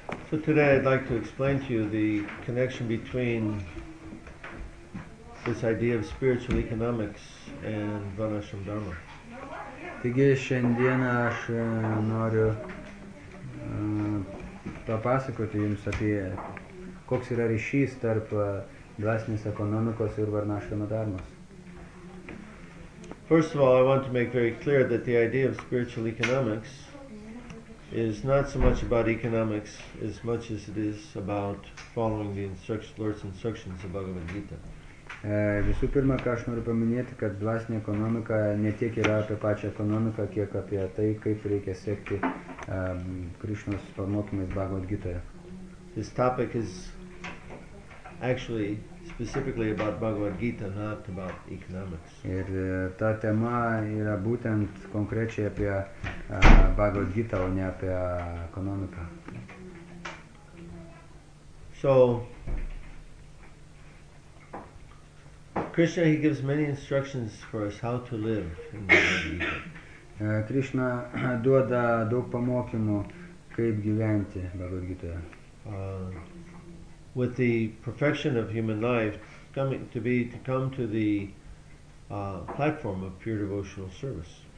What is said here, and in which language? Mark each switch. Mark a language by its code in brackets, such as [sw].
[en] So today I'd like to explain to you the connection between this idea of spiritual economics and Vanashram Dharma. [lt] Taigi šiandieną aš noriu papasakoti jums apie koks yra ryšys tarp dvasinės ekonomikos ir Vanashrama Dharmos. [en] First of all, I want to make very clear that the idea of spiritual economics is not so much about economics as much as it is about following the Lord's instructions of Bhagavad Gita. [lt] Visų pirma, ką aš noriu paminėti, kad dvasinė ekonomika ne tiek yra apie pačią ekonomiką, kiek apie tai, kaip reikia sekti Krišnos pamokymais Bhagavad Gitoje. [en] This topic is actually specifically about Bhagavad Gita, not about economics. [lt] Ir ta tema yra būtent konkrečiai apie Bhagavad Gita, o ne apie ekonomiką. [en] So, Krishna, he gives many instructions for us how to live in Bhagavad Gita. [lt] Krishna duoda daug pamokymų, kaip gyventi Bhagavad Gitoje. [en] With the perfection of human life coming to be to come to the platform of pure devotional service.